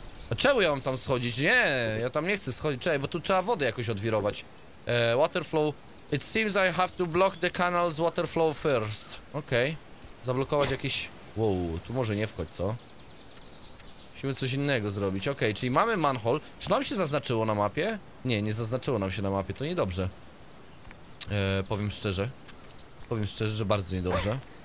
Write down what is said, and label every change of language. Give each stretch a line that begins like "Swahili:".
Polish: A czemu ja mam tam schodzić? Nie, ja tam nie chcę schodzić. Czekaj, bo tu trzeba wodę jakoś odwirować.
English: Water flow. It seems I have to block the canal's water flow first. Okej. Okay.
Polish: Zablokować jakiś... Wow, tu może nie wchodź, co? Musimy coś innego zrobić. Okej, czyli mamy manhole. Czy nam się zaznaczyło na mapie? Nie, nie zaznaczyło nam się na mapie, to niedobrze. Powiem szczerze. Powiem szczerze, że bardzo niedobrze.